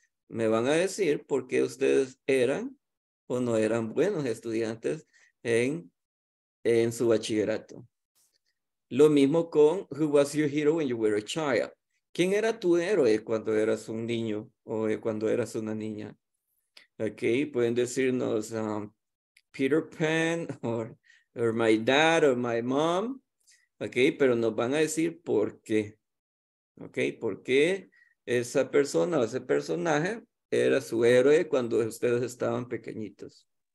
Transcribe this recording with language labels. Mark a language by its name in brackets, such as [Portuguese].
[Spanish] Me van a decir por qué ustedes eran o no eran buenos estudiantes en su bachillerato. Lo mismo con [English] who was your hero when you were a child. [Spanish] ¿Quién era tu héroe cuando eras un niño o cuando eras una niña? [English] Okay, [Spanish] pueden decirnos [English] Peter Pan or my dad or my mom. [Spanish] Okay, pero nos van a decir por qué. Okay, por qué esa persona o ese personaje era su héroe cuando ustedes estaban pequeñitos.